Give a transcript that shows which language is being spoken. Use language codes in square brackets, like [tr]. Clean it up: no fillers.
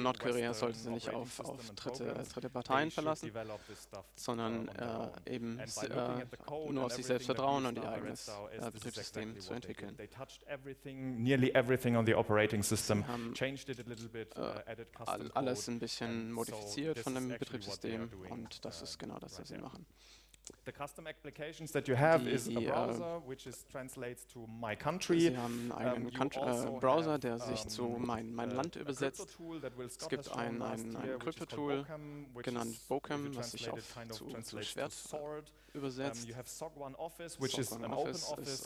[de] Nordkorea sollte sich nicht auf dritte Parteien verlassen, sondern eben nur auf sich selbst vertrauen und ihr eigenes Betriebssystem zu entwickeln. [en] They touched everything, nearly everything on the operating system, changed it a little bit, added custom code. [de] Alles ein bisschen modifiziert von dem Betriebssystem und das ist genau das, was sie machen. [en] The custom applications that you have is a browser which is translates to my country. [de] Sie haben einen Browser, der sich zu mein Land übersetzt. Es gibt ein Krypto-Tool, genannt Bokem, was sich auf zu Schwert übersetzt. [en] You have SOG1 Office, which is an open office